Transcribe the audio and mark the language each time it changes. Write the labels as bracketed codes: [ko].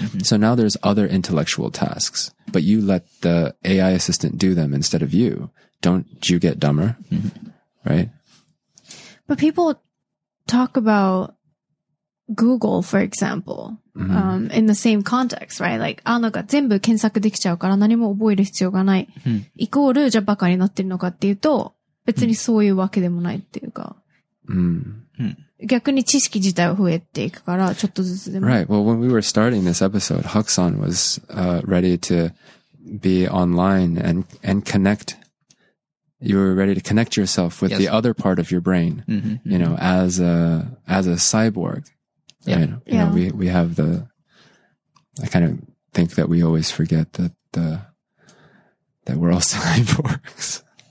[en] So now there's other intellectual tasks, but you let the AI assistant do them instead of you. Don't you get dumber, right? But people talk about Google, for example, in the same context, right? [ja] Like, なんか全部検索できちゃうから何も覚える必要がない。イコール、じゃあバカになってるのかっていうと、別にそういうわけでもないっていうか。逆に知識自体は増えていくから、ちょっとずつでも。 [en] Right. Well, when we were starting this episode, Huck-san was, ready to be online and connect. You were ready to connect yourself with the other part of your brain, you know, as a cyborg. Yeah. Right? You know, we have the, I kind of think that we always forget that that we're all cyborgs.